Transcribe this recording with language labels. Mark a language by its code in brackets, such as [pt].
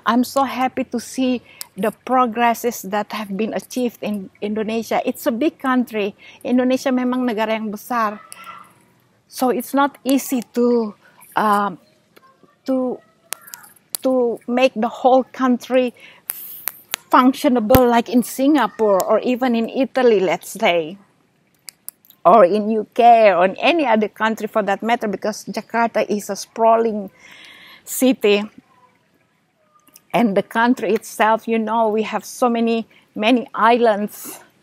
[en] I'm so happy to see the progresses that have been achieved in Indonesia. It's a big country. [id] Indonesia memang negara yang besar. [en] So it's not easy to make the whole country functionable like in Singapore or even in Italy, let's say, or in UK or in any other country for that matter, because Jakarta is a sprawling city and the country itself, you know, we have so many islands.